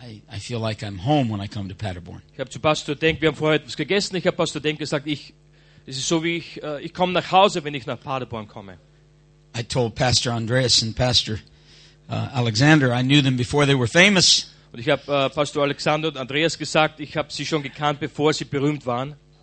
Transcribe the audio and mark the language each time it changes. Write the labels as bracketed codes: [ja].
[en] I feel like I'm home when I come to Paderborn. [de] Ich habe zu Pastor Dink, wir haben vorher etwas gegessen. Ich habe Pastor Dink gesagt, es ist so wie ich komme nach Hause, wenn ich nach Paderborn komme. [en] I told Pastor Andreas and Pastor Alexander, I knew them before they were famous. [de] Und ich habe Pastor Alexander und Andreas gesagt, ich habe sie schon gekannt, bevor sie berühmt waren.